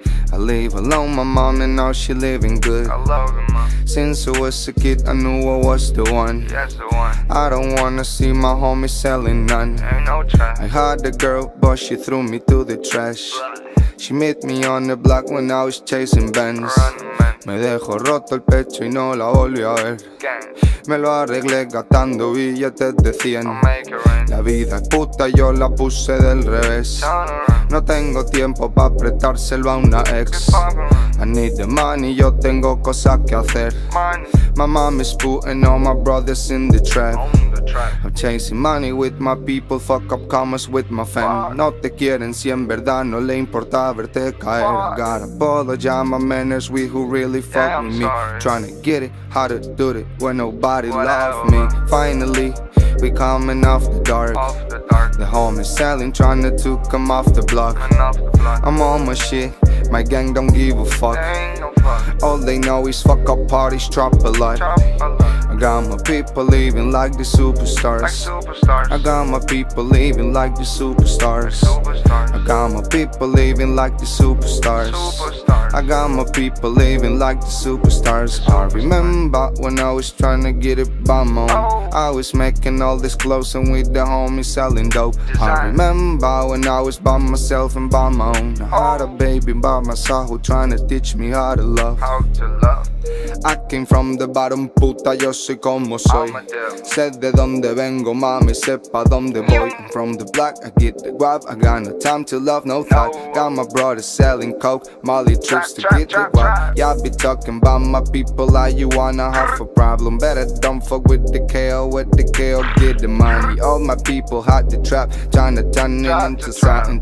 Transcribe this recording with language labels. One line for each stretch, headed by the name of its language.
English: I live alone, my mom, and now she living good. I love her, mom. Since I was a kid, I knew I was the one. Yes, the one. I don't wanna see my homie selling none. Ain't no try. I had a girl, but she threw me to the trash. She met me on the block when I was chasing Benz.
Spanish: Me dejo roto el pecho y no la volví a ver. Me lo arreglé gastando billetes de 100. La vida es puta, yo la puse del revés. No tengo tiempo pa' prestárselo a una ex.
English: I need the money,
Spanish: yo tengo cosas que hacer.
English: My mom is putting all my brothers in the trap. I'm chasing money with my people, fuck up commas with my fam.
Spanish: No te quieren si en verdad no le importa verte caer.
English: I got a bottle, yeah, my manners, we who really fuck yeah, with sorry. Me. Trying to get it, how to do it when nobody love me. Finally, we coming off the dark. The homie selling, trying to come off the block. I'm on my shit, my gang don't give a fuck. All they know is fuck up parties, trap a lot. I got my people living like the superstars. I got my people living like the superstars. I got my people living like the superstars. I got my people living like the superstars. I remember when I was trying to get it by my own. I was making all this clothes and with the homies selling dope. I remember when I was by myself and by my own. I had a baby by myself who trying to teach me how to love. I came from the bottom, puta,
Spanish: yo soy como soy. Sé de donde vengo, mami, sé pa' donde voy.
English: I'm from the black, I get the guap. I got no time to love, no thought. Got my brother selling coke, Molly trips to get the guap. Yeah, I be talking about my people like you wanna have a problem. Better don't fuck with the KO, with the KO, get the money. All my people hot the trap, tryna turn it into something.